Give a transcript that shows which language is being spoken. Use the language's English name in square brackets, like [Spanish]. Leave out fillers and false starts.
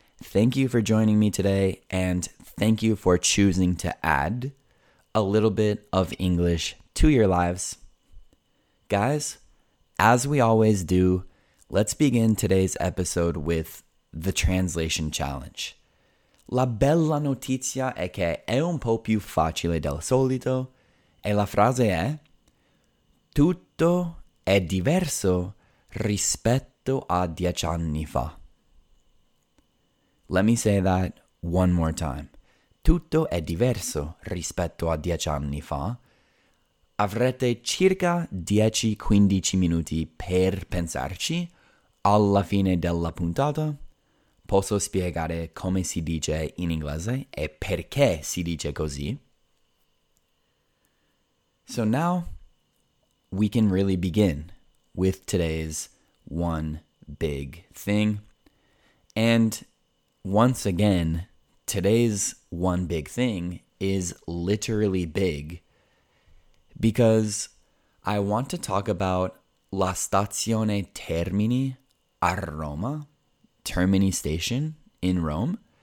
[English] Thank you for joining me today, and thank you for choosing to add a little bit of English to your lives. Guys, as we always do, let's begin today's episode with the translation challenge. [Italian] La bella notizia è che è un po' più facile del solito, e la frase è tutto è diverso rispetto a 10 anni fa. [English] Let me say that one more time. [Italian] Tutto è diverso rispetto a 10 anni fa. Avrete circa 10-15 minuti per pensarci alla fine della puntata. Posso spiegare come si dice in inglese e perché si dice così. [English] So now, we can really begin with today's one big thing. And once again, today's one big thing is literally big because I want to talk about La Stazione Termini a Roma, Termini Station in Rome.